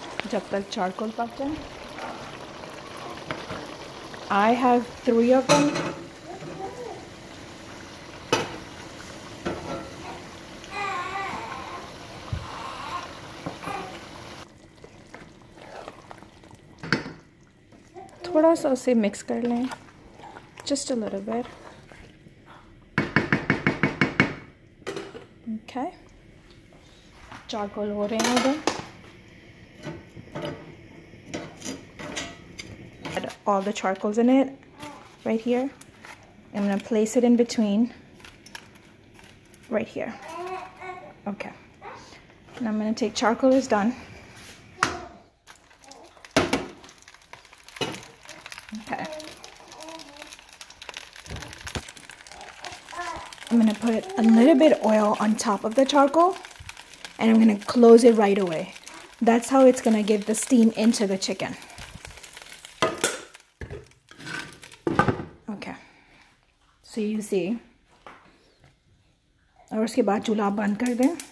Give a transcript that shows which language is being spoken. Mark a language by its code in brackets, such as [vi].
[ur] جب تک charcoal پک رہا ہے۔ [en] I have 3 of them. [ur] تھوڑا سا اسے مکس کر لیں۔ [en] Just a little bit. Okay. [ur] Charcoal ہو رہے ہیں ادھر۔ [en] Add all the charcoals in it right here. I'm gonna place it in between right here. Okay. And I'm gonna take charcoal is done. I'm gonna put a little bit of oil on top of the charcoal and I'm gonna close it right away. That's how it's gonna give the steam into the chicken. Okay, so you see. [ur] اور اسکے بعد چولہا بند کر دے۔